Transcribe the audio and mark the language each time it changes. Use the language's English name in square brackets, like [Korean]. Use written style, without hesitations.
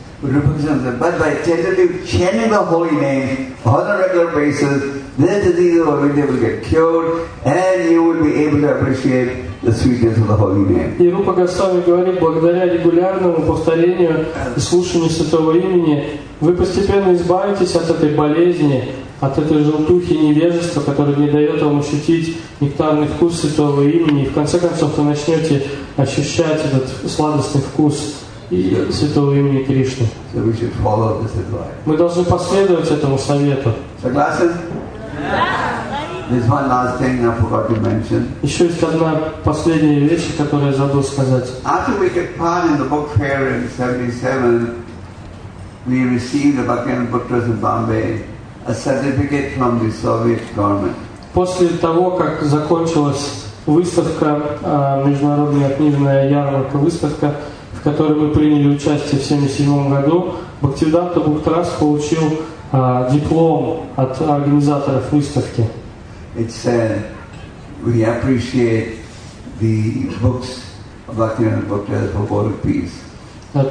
[English] But by chanting the holy name on a regular basis, this disease of avidya will get cured, and you will be able to appreciate the sweetness of the holy name. [Russian] И Рупа Госвами говорит, благодаря регулярному повторению и слушанию святого имени, вы постепенно избавитесь от этой болезни, от этой желтухи невежества, которая не дает вам ощутить нектарный вкус святого имени. И в конце концов вы начнете ощущать этот сладостный вкус святого имени Кришны. [English] So we should follow this advice. [Russian] Мы должны последовать этому совету. Согласен? [English] There's one last thing I forgot to mention. [Russian] Еще есть одна последняя вещь, которую я забыл сказать. [English] After we took part in the book fair in 77, we received the Bhaktivinoda Book Trust in Bombay a certificate from the Soviet government. [Russian] После того, как закончилась выставка, международная книжная ярмарка, выставка, в которой мы приняли участие в 77 году, Бхактивиданта Бук Траст получил диплом от организаторов выставки. [English] It said, we appreciate the books of Bhaktivinoda Book Trust for World Peace.